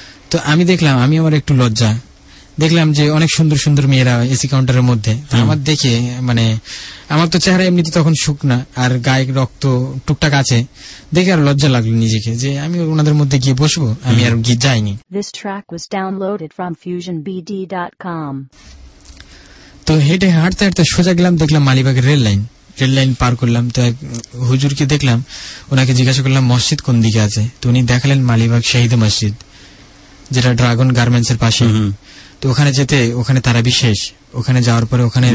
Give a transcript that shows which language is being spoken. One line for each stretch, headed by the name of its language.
Bangla: তো আমি দেখলাম, আমি আমার একটু লজ্জা দেখলাম যে অনেক সুন্দর সুন্দর মেয়েরা এসি কাউন্টারের মধ্যে, আমার দেখে মানে আমার তো চেহারা এমনিতে তখন শুকনা আর গায়ে রক্ত টুকটাক আছে, দেখে আর লজ্জা লাগলো নিজেকে যে আমি ওনাদের মধ্যে গিয়ে বসবো, আমি আর গিয়ে যাইনি।
English: This track was downloaded from fusionbd.com.
Bangla: তো হেঁটে হাঁটতে হাঁটতে সোজা গেলাম, দেখলাম মালিবাগের রেললাইন, রেললাইন পার করলাম। তো হুজুরকে দেখলাম, ওনাকে জিজ্ঞাসা করলাম মসজিদ কোন দিকে আছে, তো উনি দেখালেন মালিবাগ শহীদ মসজিদ, যেটা ড্রাগন গার্মেন্টস এর পাশে। তো ওখানে যেতে, ওখানে তারা বিশেষ, ওখানে যাওয়ার পরে ওখানে